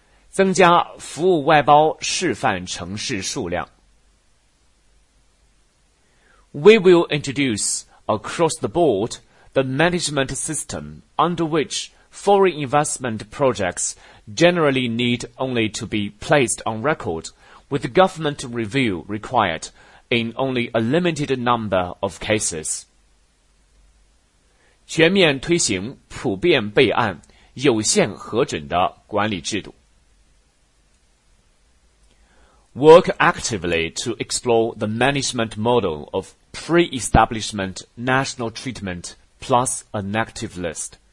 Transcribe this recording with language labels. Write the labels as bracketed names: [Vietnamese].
[Chinese] 增加服务外包示范城市数量。 [English] We will introduce across the board the management system under which foreign investment projects generally need only to be placed on record with government review required in only a limited number of cases. [Chinese] 全面推行普遍备案有限核准的管理制度。 [English] Work actively to explore the management model of pre-establishment national treatment plus a negative list.